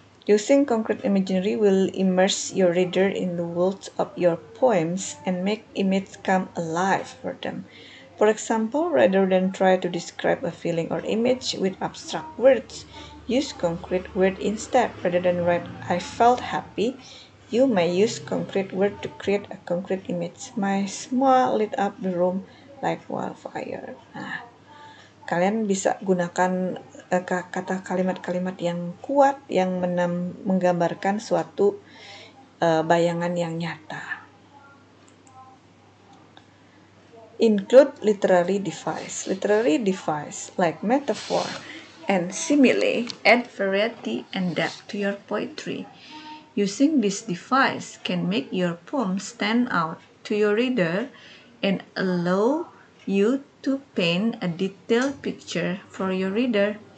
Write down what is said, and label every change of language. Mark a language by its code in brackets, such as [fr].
[en] Using concrete imagery will immerse your reader in the world of your poems and make image come alive for them. For example, rather than try to describe a feeling or image with abstract words, use concrete word instead. Rather than write "I felt happy," you may use concrete word to create a concrete image. My smile lit up the room like wildfire. [id] Nah, kalian bisa gunakan kata kalimat-kalimat yang kuat yang menggambarkan suatu bayangan yang nyata. [en] Include literary device. Literary device like metaphor and simile add variety and depth to your poetry. Using this device can make your poem stand out to your reader and allow you to paint a detailed picture for your reader.